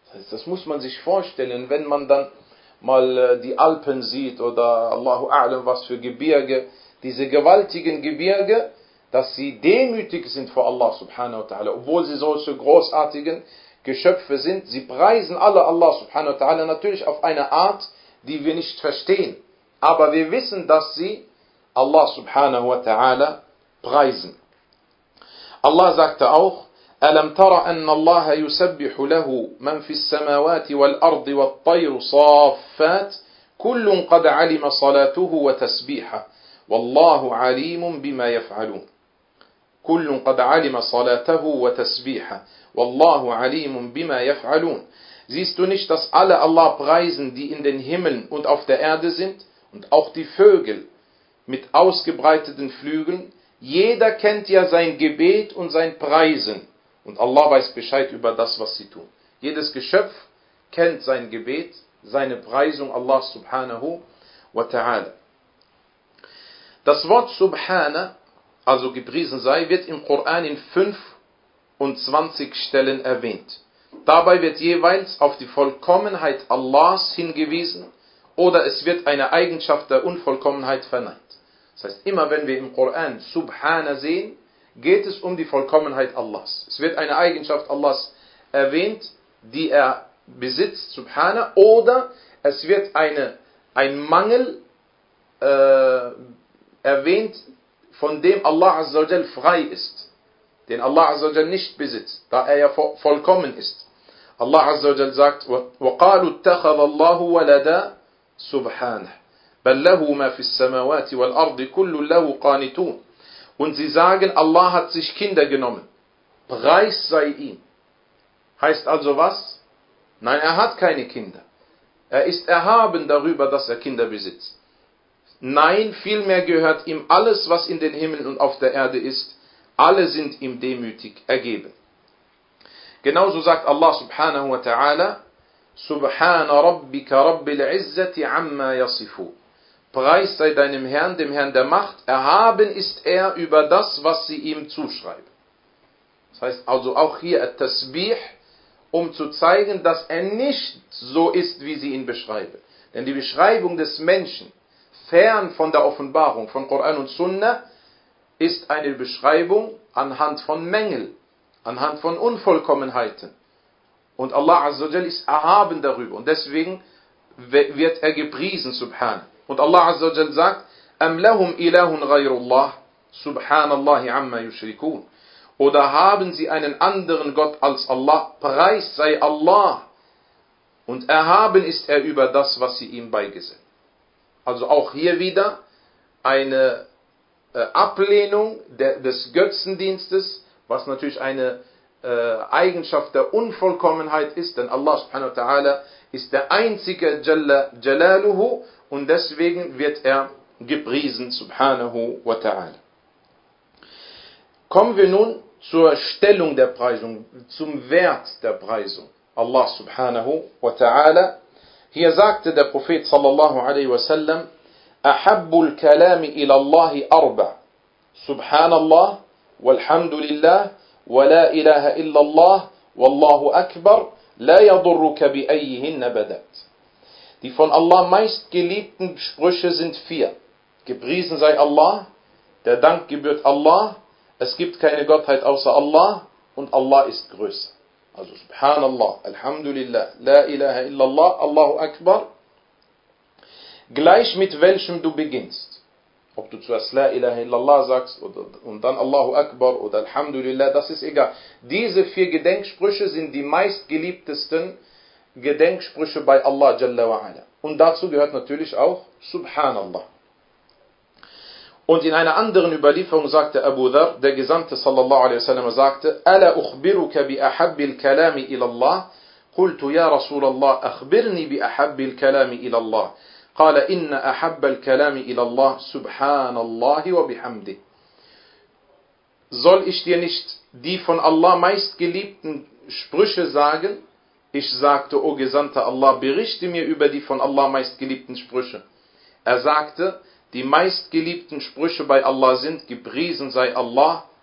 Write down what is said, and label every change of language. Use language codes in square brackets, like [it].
[de] Das muss man sich vorstellen, wenn man dann mal die Alpen sieht oder Allahu A'lam, was für Gebirge, diese gewaltigen Gebirge, dass sie demütig sind vor Allah subhanahu wa ta'ala, obwohl sie solche großartigen Geschöpfe sind. Sie preisen alle Allah subhanahu wa ta'ala natürlich auf eine Art, die wir nicht verstehen. Aber wir wissen, dass sie Allah subhanahu wa ta'ala preisen. Allah sagte auch, [ar] أَلَمْ تَرَ أَنَّ اللَّهَ يُسَبِّحُ لَهُ مَنْ فِي السَّمَاوَاتِ وَالْأَرْضِ وَالطَّيْرُ صَافَّاتِ كُلٌّ قَدْ عَلِمَ صَلَاتُهُ وَتَسْبِيحَهُ وَاللَّهُ عَلِيمٌ بِمَا يَفْعَلُونَ كُلٌّ قَدْ عَلِمَ صَلَاتَهُ وَتَسْبِيحَهُ وَاللَّهُ عَلِيمٌ بِمَا يَفْعَلُونَ. [de] Siehst du nicht, dass alle Allah preisen, die in den Himmeln und auf der Erde sind, und auch die Vögel mit ausgebreiteten Flügeln? Jeder kennt ja sein Gebet und sein Preisen. Und Allah weiß Bescheid über das, was sie tun. Jedes Geschöpf kennt sein Gebet, seine Preisung Allah subhanahu wa ta'ala. Das Wort Subhana, also gepriesen sei, wird im Koran in 25 Stellen erwähnt. Dabei wird jeweils auf die Vollkommenheit Allahs hingewiesen oder es wird eine Eigenschaft der Unvollkommenheit verneint. Das heißt, immer wenn wir im Koran Subhana sehen, geht es um die Vollkommenheit Allahs. Es wird eine Eigenschaft Allahs erwähnt, die er besitzt, Subhana, oder es wird ein Mangel erwähnt, von dem Allah Azza wa Jalla frei ist, den Allah Azza wa Jalla nicht besitzt, da er ja vollkommen ist. Allah Azza wa Jalla sagt, [ar] وَقَالُوا اتَّخَذَ اللَّهُ وَلَدًا سُبْحَانَهُ بَلْ لَهُ مَا فِي السَّمَوَاتِ وَالْأَرْضِ كُلُّ لَهُ قَانِتُونَ. [de] Und sie sagen, Allah hat sich Kinder genommen. Preis sei ihm. Heißt also was? Nein, er hat keine Kinder. Er ist erhaben darüber, dass er Kinder besitzt. Nein, vielmehr gehört ihm alles, was in den Himmeln und auf der Erde ist. Alle sind ihm demütig ergeben. Genauso sagt Allah subhanahu wa ta'ala, [ar] Subhana rabbika rabbil izzati amma yasifu. [de] Preis sei deinem Herrn, dem Herrn der Macht, erhaben ist er über das, was sie ihm zuschreiben. Das heißt also auch hier At-Tasbih, um zu zeigen, dass er nicht so ist, wie sie ihn beschreiben. Denn die Beschreibung des Menschen, fern von der Offenbarung, von Koran und Sunna, ist eine Beschreibung anhand von Mängel, anhand von Unvollkommenheiten. Und Allah Azza wa Jalla ist erhaben darüber und deswegen wird er gepriesen, Subhan. Und Allah Azza wa Jalla sagt, [ar] أَمْ لَهُمْ إِلَهٌ غَيْرُ اللَّهِ سُبْحَانَ اللَّهِ عَمَّا يُشْرِكُونَ. [de] Oder haben sie einen anderen Gott als Allah? Preis sei Allah. Und erhaben ist er über das, was sie ihm beigesinnen. Also auch hier wieder eine Ablehnung des Götzendienstes, was natürlich eine Eigenschaft der Unvollkommenheit ist, denn Allah subhanahu wa ta'ala ist der einzige Jalaluhu, und deswegen wird er gepriesen, subhanahu wa ta'ala. Kommen wir nun zur Stellung der Preisung, zum Wert der Preisung. Allah subhanahu wa ta'ala. Hier sagte der Prophet sallallahu alaihi wa sallam, [ar] أحب الكلام إلى الله أربع. سبحان الله والحمد لله ولا إله إلا الله والله أكبر لا يضرك بأيهن بدأت. [de] Die von Allah meist geliebten Sprüche sind vier. Gepriesen sei Allah, der Dank gebührt Allah, es gibt keine Gottheit außer Allah und Allah ist größer. Also Subhanallah, Alhamdulillah, La ilaha illallah, Allahu Akbar. Gleich mit welchem du beginnst, ob du zuerst La ilaha illallah sagst und dann Allahu Akbar oder Alhamdulillah, das ist egal. Diese vier Gedenksprüche sind die meist geliebtesten Gedenksprüche bei Allah Jalla wa Ala. Und dazu gehört natürlich auch Subhanallah. Und in einer anderen Überlieferung sagte Abu Dharr, der Gesandte sallallahu alaihi wasallam sagte, [ar] أَلَا أُخْبِرُكَ بِأَحَبِّ الْكَلَامِ إِلَى اللَّهِ قُلْتُ يَا رَسُولَ اللَّهِ أَخْبِرْنِي بِأَحَبِّ الْكَلَامِ إِلَى اللَّهِ قَالَ إِنَّ أَحَبَّ الْكَلَامِ إِلَى اللَّهِ سُبْحَانَ اللَّهِ وَبِحَمْدِهِ. [de] Soll ich dir nicht die von Allah meist geliebten Sprüche sagen? Ich sagte, O Gesandter Allah, berichte mir über die von Allah meist geliebten Sprüche. Er sagte, die meist geliebten Sprüche bei Allah sind, gepriesen sei Allah,